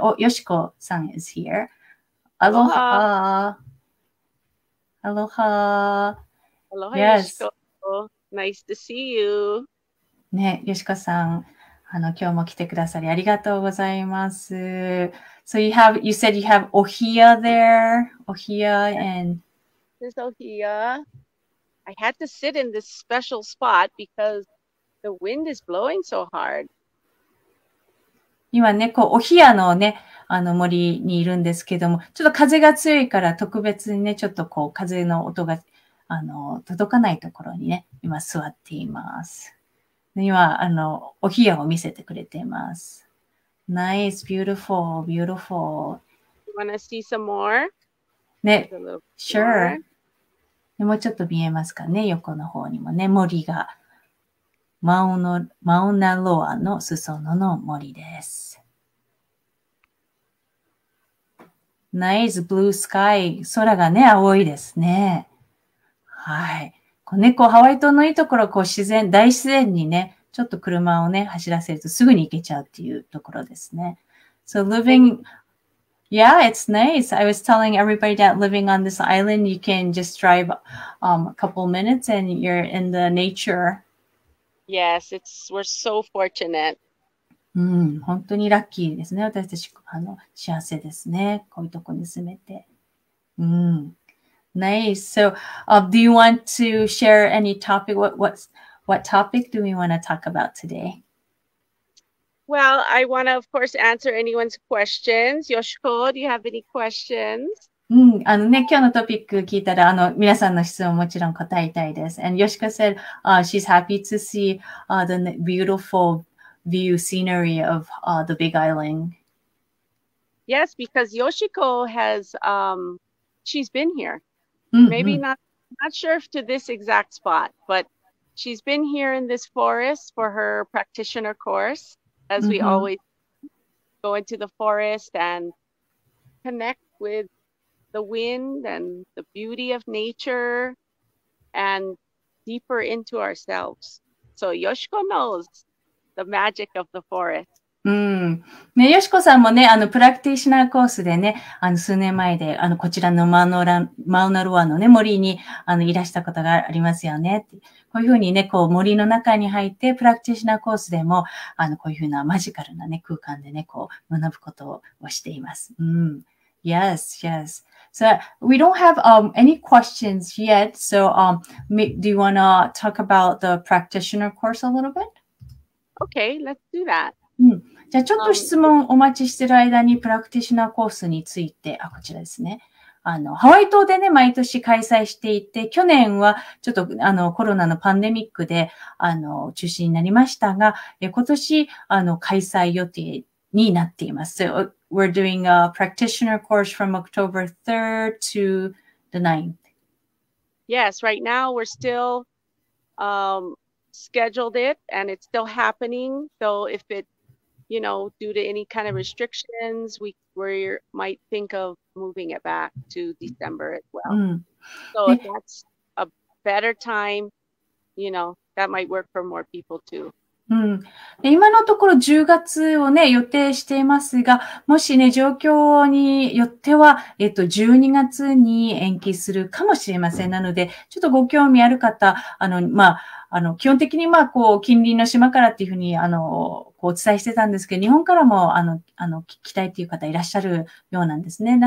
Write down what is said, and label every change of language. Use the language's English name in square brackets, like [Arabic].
[English] お、よしこさん is here. アロアハー。アロハロハ。アロハ、ヨシ Yes. コ。Nice to see you. [Japanese] ね、よしこさん、今日も来てくださりありがとうございます。 [English] So you said you have Ohia there, Ohia and This is Ohia. I had to sit in this special spot because the wind is blowing so hard. [Japanese] 今ね、こう、お冷やのね、森にいるんですけども、ちょっと風が強いから特別にね、ちょっとこう、風の音が、届かないところにね、今座っています。には、お冷やを見せてくれています。 [English] Nice, beautiful, beautiful. Want to see some more? There's a [Japanese] ね、 [English] little more. sure. [Japanese] もうちょっと見えますかね、横の方にもね、森が。マウナロアの裾野の森です。 [English] Nice blue sky. [Japanese] 空がね、青いですね。はい。こうね、こう、ハワイ島のいいところ、こう、自然、大自然にね、ちょっと車をね、走らせるとすぐに行けちゃうっていうところですね。 [English] So living, yeah, it's nice. I was telling everybody that living on this island, you can just drive, a couple minutes and you're in the nature. Yes, we're so fortunate. [Japanese] 本当にラッキーですね。私たち、幸せですね。こういうとこに住めて。 [English] Nice. So, do you want to share any topic? What topic do we want to talk about today? Well, I want to, of course, answer anyone's questions. Yoshiko, do you have any questions? [Japanese] 今日のトピック聞いたら、皆さんの質問もちろん答えたいです。 [English] And Yoshiko said, she's happy to see, the beautiful view scenery of the Big Island. Yes, because Yoshiko has she's been here. Maybe not sure if to this exact spot, but she's been here in this forest for her practitioner course, as we always go into the forest and connect with the wind and the beauty of nature and deeper into ourselves. So Yoshiko knows the magic of the forest. [Japanese] ね、よしこさんもね、プラクティシナーコースでね、数年前で、こちらのマウナロアのね、森に、いらしたことがありますよね。こういうふうにね、こう、森の中に入って、プラクティシナーコースでも、こういうふうなマジカルなね、空間でね、こう、学ぶことをしています。 [English] Yes, yes. So, we don't have, any questions yet. So, do you wanna talk about the practitioner course a little bit? Okay, let's do that. [Japanese] じゃあ、ちょっと質問お待ちしてる間に、プラクティシナーコースについて、こちらですね。ハワイ島でね、毎年開催していて、去年は、ちょっと、コロナのパンデミックで、中止になりましたが、今年、開催予定になっています。 [English] So, we're doing a practitioner course from October 3rd to the 9th. Yes, right now we're still scheduled it and it's still happening. So if it you know, due to any kind of restrictions, we might think of moving it back to December as well. So if that's a better time, you know, that might work for more people too. [Japanese] うん、今のところ10月をね、予定していますが、もしね、状況によっては、12月に延期するかもしれません。なので、ちょっとご興味ある方、基本的にまあ、こう、近隣の島からっていうふうに、こうお伝えしてたんですけど、日本からも、聞きたいっていう方いらっしゃるようなんですね。